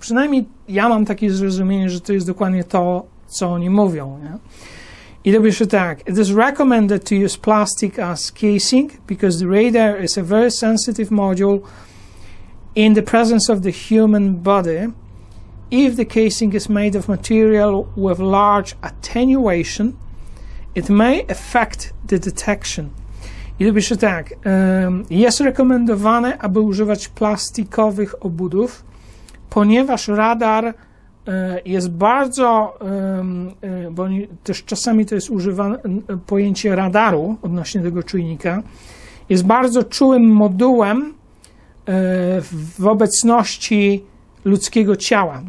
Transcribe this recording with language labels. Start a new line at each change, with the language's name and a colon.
Polish: Przynajmniej ja mam takie zrozumienie, że to jest dokładnie to, co oni mówią. Nie? I to pisze tak.
English: It is recommended to use plastic as casing because the radar is a very sensitive module in the presence of the human body. If the casing is made of material with large attenuation, it may affect the detection.
Polish: I to pisze tak. Jest rekomendowane, aby używać plastikowych obudów, ponieważ radar jest bardzo, bo też czasami to jest używane pojęcie radaru odnośnie tego czujnika, jest bardzo czułym modułem w obecności ludzkiego ciała.